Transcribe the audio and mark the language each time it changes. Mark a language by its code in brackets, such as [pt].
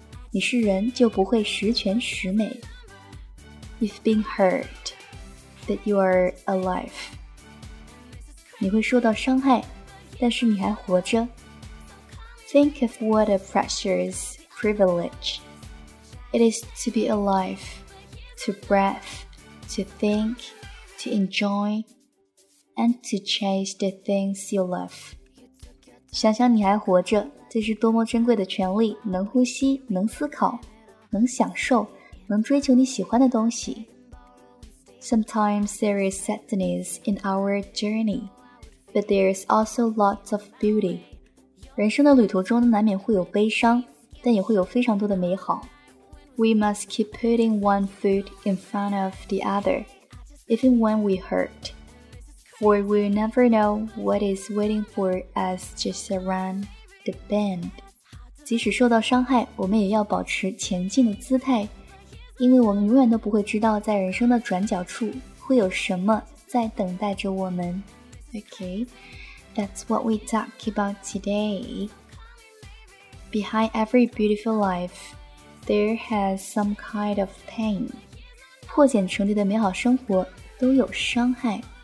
[zh] 你是人，就不会十全十美。 [en] You've been hurt, but you are alive. [zh] 你会受到伤害，但是你还活着。 [en] Think of what a precious privilege it is to be alive, to breathe, to think, to enjoy. And to chase the things you love. [zh] 想想你还活着，这是多么珍贵的权利，能呼吸，能思考，能享受，能追求你喜欢的东西。 [en] Sometimes there is sadness in our journey, but there is also lots of beauty. [zh] 人生的旅途中难免会有悲伤，但也会有非常多的美好。 [en] We must keep putting one foot in front of the other, even when we hurt. For we never know what is waiting for us just around the bend. [zh] 即使受到伤害，我们也要保持前进的姿态，因为我们永远都不会知道在人生的转角处会有什么在等待着我们。 [en] Okay, that's what we talk about today. Behind every beautiful life, there has some kind of pain. [zh] 破茧成蝶的美好生活都有伤害。